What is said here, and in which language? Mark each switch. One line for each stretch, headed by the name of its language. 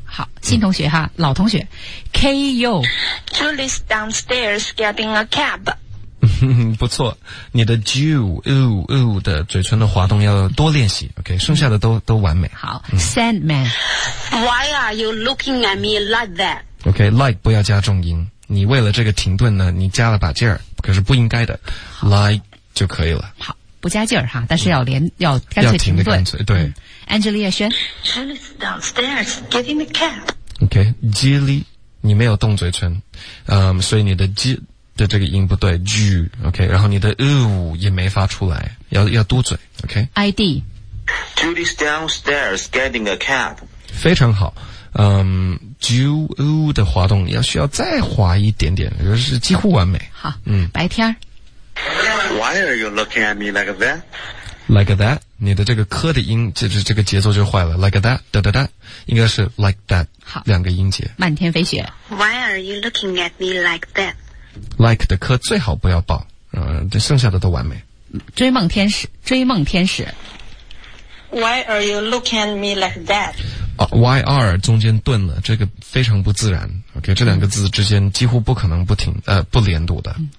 Chinese: 好，新同学哈，老同学 ，KU。
English: Julie's downstairs getting a cab。
Chinese: 不错，你的 ju 的嘴唇的滑动要多练习。 OK， 剩下的都完美。好、，Sandman。
English: Why are you looking at me like that？
Chinese: OK，like 不要加重音，你为了这个停顿呢，你加了把劲儿，可是不应该的 ，like 就可以了。好，不加劲儿哈，但是要连、要干脆停顿。要停的干脆，对。 Angelia 轩
English: ，Julie's downstairs getting the cab.
Chinese: OK，Julie， 你没有动嘴唇，所以你的 j 的这个音不对 ，ju，OK，、okay? 然后你的 u 也没发出来，要嘟嘴 ，OK，ID。
English: Julie's downstairs getting a cab.
Chinese: 非常好。 ju 的滑动要需要再滑一点点，就是几乎完美。好，白天。
English: Why are you looking at me like that?
Chinese: Like that， 你的这个科的音，这个节奏就坏了。 Like that， 哒哒哒，应该是 like that。好，两个音节。漫天飞雪。
English: Why are you looking at me like that?
Chinese: Like 的科最好不要爆，这剩下的都完美。追梦天使，追梦天使。
English: Why are you looking at me like that?
Chinese: Why are 中间顿了，这个非常不自然。 OK， 这两个字之间几乎不可能不停不连读的。